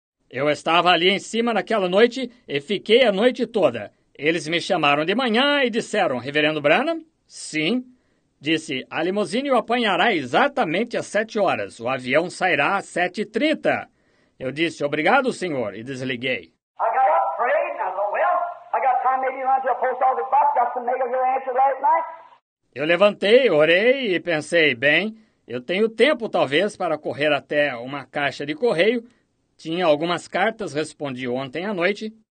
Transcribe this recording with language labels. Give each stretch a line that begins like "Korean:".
Portuguese: Eu estava ali em cima naquela noite e fiquei a noite toda. Eles me chamaram de manhã e disseram, Reverendo Branham? Sim. Disse, a limusine o apanhará exatamente às 7 horas. O avião sairá às 7h30. Eu disse, obrigado, senhor, e desliguei.
English: I got up, prayed, and I thought, well, I got time maybe to run to a post office box, got some mail here answered last night.
Portuguese: Eu levantei, orei e pensei, bem, eu tenho tempo talvez para correr até uma caixa de correio. Tinha algumas cartas, respondi ontem à noite.